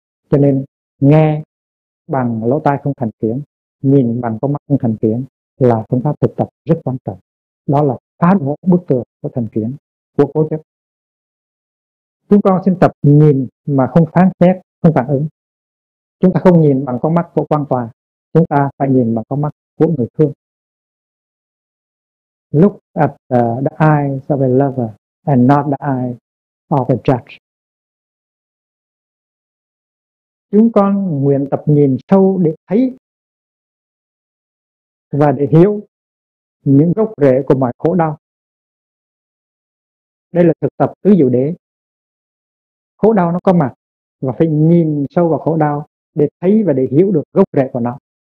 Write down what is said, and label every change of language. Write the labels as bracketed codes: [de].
[vi] Cho nên nghe bằng lỗ tai không thành kiến, nhìn bằng con mắt không thành kiến là phương pháp thực tập rất quan trọng. Đó là phá đổ bức tường của thành kiến, của cố chấp. Chúng con xin tập nhìn mà không phán xét, không phản ứng. Chúng ta không nhìn bằng con mắt của quan tòa, chúng ta phải nhìn bằng con mắt của người thương. [en] Look at the eyes of a lover and not the eyes of a judge. [vi] Chúng con nguyện tập nhìn sâu để thấy và để hiểu những gốc rễ của mọi khổ đau. Đây là thực tập tứ diệu đế. Khổ đau nó có mặt và phải nhìn sâu vào khổ đau để thấy và để hiểu được gốc rễ của nó.